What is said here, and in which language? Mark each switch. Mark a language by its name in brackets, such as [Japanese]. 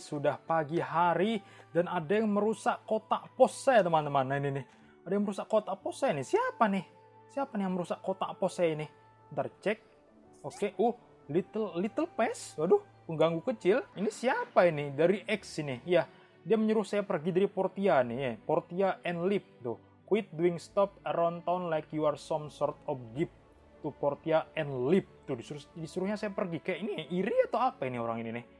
[Indonesian] Sudah pagi hari dan ada yang merusak kotak pos saya, teman-teman. Nah, ini nih. Ada yang merusak kotak pos saya nih. Siapa nih? Siapa nih yang merusak kotak pos saya ini? Bentar, cek. Oke, okay. [English] Little Pest. [Indonesian] Waduh, pengganggu kecil. Ini siapa ini? Dari X ini. Ya, dia menyuruh saya pergi dari Portia nih. [English] Portia and leave. Tuh. Quit doing stop around town like you are some sort of gift to Portia and leave. [Indonesian] Tuh, disuruhnya saya pergi. Kayak ini iri atau apa ini orang ini nih?